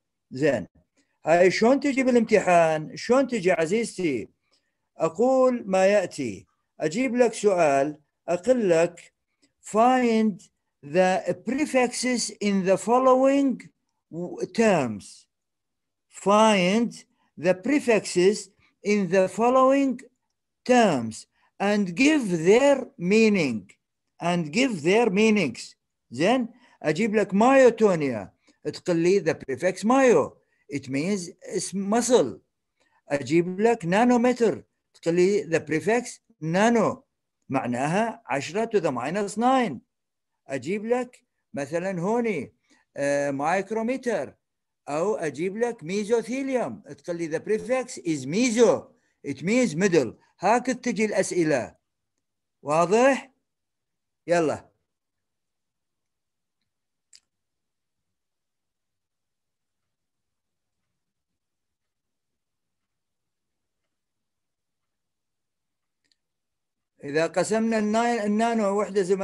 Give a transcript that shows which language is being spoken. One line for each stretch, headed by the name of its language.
Arabic: زين، هاي شلون تجي بالامتحان؟ شلون تجي عزيزتي؟ أقول ما يأتي، أجيب لك سؤال، أقول لك
English: find the prefixes in the following terms. Find the prefixes in the following terms and give their meaning. And give their meanings. Then
Arabic: أجيب لك myotonia. أتقل لي
English: the prefix myo. It means it's muscle.
Arabic: أجيب لك nanometer. أتقل لي
English: the prefix nano.
Arabic: معناها 10^-9. أجيب لك مثلا هوني مايكروميتر، أو أجيب لك ميزوثيليوم، تقول لي
English: the prefix is meso, it means middle.
Arabic: هكذا تجي الأسئلة، واضح؟ يلا إذا قسمنا النانو وحدة